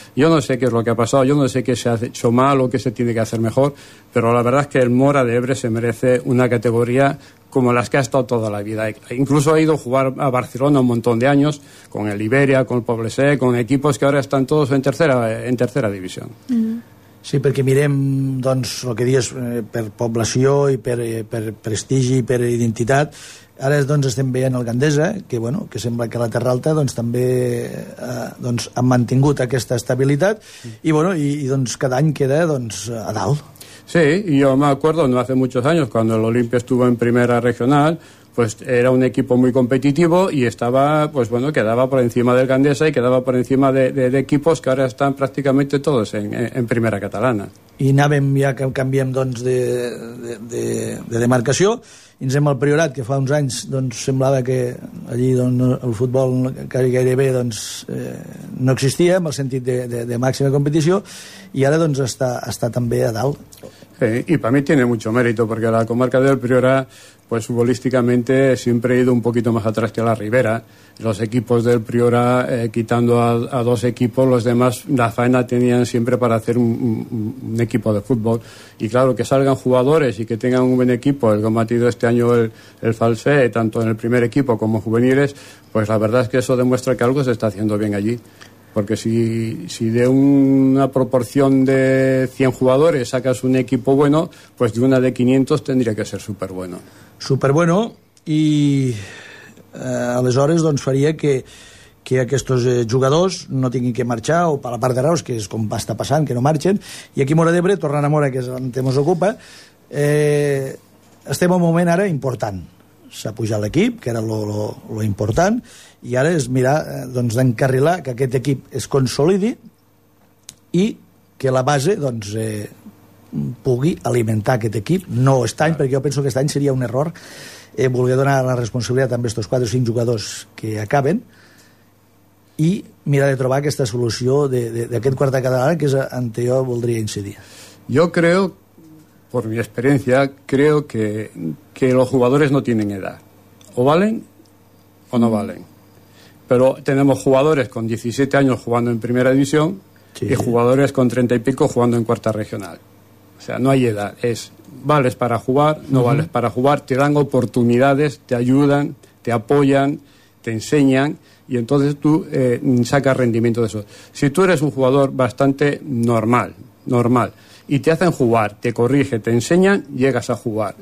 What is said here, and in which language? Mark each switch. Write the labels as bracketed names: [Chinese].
[Spanish] Yo no sé qué es lo que ha pasado, yo no sé qué se ha hecho mal o qué se tiene que hacer mejor, pero la verdad es que el Mora de Ebre se merece una categoría como las que ha estado toda la vida. Incluso ha ido a jugar a Barcelona un montón de años, con el Iberia, con el Poblesé, con equipos que ahora están todos en tercera división. [Catalan] Sí, perquè mirem, doncs, el que dius, per població i per prestigi i per identitat. Ara, doncs, estem veient el Gandesa, que, bueno, que sembla que la Terra Alta, doncs, també doncs, ha mantingut aquesta estabilitat. I, bueno, i doncs, cada any queda, doncs, a dalt. [Spanish] Sí, y yo me acuerdo, no hace muchos años, cuando el Olimpia estuvo en primera regional, pues era un equipo muy competitivo y estaba, pues bueno, quedaba por encima del Gandesa y quedaba por encima de equipos que ahora están prácticamente todos en primera catalana. [Catalan] I anàvem, ja que canviem, doncs, de demarcació, i ens hem al Priorat, que fa uns anys, doncs, semblava que allí, doncs, el futbol gairebé, doncs, no existia, en el sentit de màxima competició, i ara, doncs, està també a dalt. [Spanish] Y para mí tiene mucho mérito, porque la comarca del Priorat, pues futbolísticamente siempre ha ido un poquito más atrás que la Ribera. Los equipos del Priorat, quitando a 2 equipos, los demás, la faena tenían siempre para hacer un equipo de fútbol. Y claro, que salgan jugadores y que tengan un buen equipo, el combatido este año el Falsé, tanto en el primer equipo como juveniles, pues la verdad es que eso demuestra que algo se está haciendo bien allí. Porque si de una proporción de 100 jugadores sacas un equipo bueno, pues de una de 500 tendría que ser súper bueno. Súper bueno, [Catalan] y aleshores doncs faria que aquests jugadors no tinguin que marxar, o per la part de Reus, que és com va estar passant, que no marxen, i aquí Mora d'Ebre, tornant a Mora, que és el que ens ocupa, estem en un moment ara important. s'ha pujat l'equip, que era lo important, i ara és mirar doncs d'encarrilar que aquest equip es consolidi i que la base doncs pugui alimentar aquest equip, no aquest any, perquè jo penso que aquest any seria un error voler donar la responsabilitat també a estos 4 o 5 jugadors que acaben i mirar de trobar aquesta solució d'aquest quart de català, que és en què jo voldria incidir. Jo crec, per mi experiència, crec que els jugadors no tenen edat. O valen o no valen. Però tenim jugadors amb 17 anys jugant en primera divisió i jugadors amb 30 i pico jugant en quarta regional. [Spanish] O sea, no hay edad, es vales para jugar, no vales para jugar, te dan oportunidades, te ayudan, te apoyan, te enseñan y entonces tú sacas rendimiento de eso. Si tú eres un jugador bastante normal, y te hacen jugar, te corrige, te enseñan, llegas a jugar.